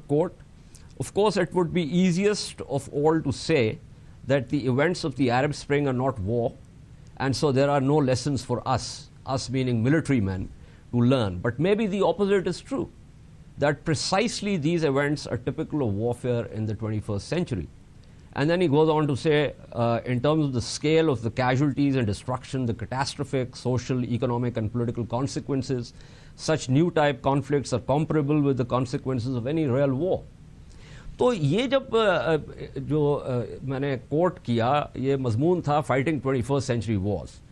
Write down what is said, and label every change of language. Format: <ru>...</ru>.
<en>Quote: of course it would be easiest of all to say that the events of the Arab spring are not war and so there are no lessons for us meaning military men to learn, but maybe the opposite is true, that precisely these events are typical of warfare in the 21st century. And then he goes on to say, in terms of the scale of the casualties and destruction, the catastrophic social, economic and political consequences, such new type conflicts are comparable with the consequences of any real war.</en> <ur>تو یہ جب جو میں نے کوٹ کیا یہ مضمون تھا</ur> <en>fighting 21st century wars.</en>